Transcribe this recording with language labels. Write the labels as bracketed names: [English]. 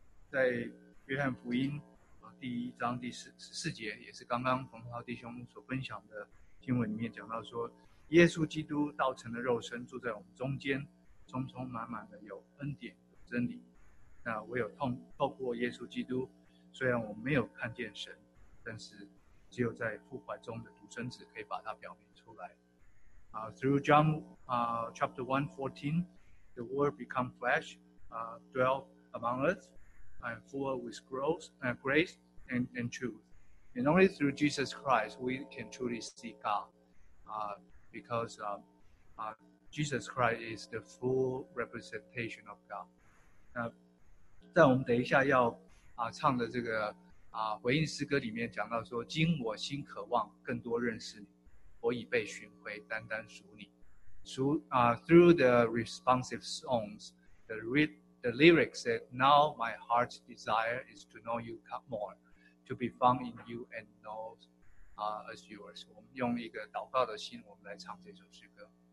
[Chinese] 在约翰福音第一章第十四节，也是刚刚冯涛弟兄所分享的经文里面讲到说，耶稣基督道成的肉身住在我们中间，充充满满的有恩典和真理。那唯有透过耶稣基督，虽然我们没有看见神，但是只有在父怀中的独生子可以把它表明出来。 [English] Through John chapter 1:14, the Word become flesh, dwell among us, and full with grace and truth. And only through Jesus Christ we can truly see God, because Jesus Christ is the full representation of God. [Chinese] 在我们等一下要唱的这个。回应诗歌里面讲到说，今我心渴望更多认识你，我已被寻回，单单属你。 [English] Through the responsive songs, the lyrics said, now my heart's desire is to know you more, to be found in you and know as yours. [Chinese] 我们用一个祷告的心，我们来唱这首诗歌。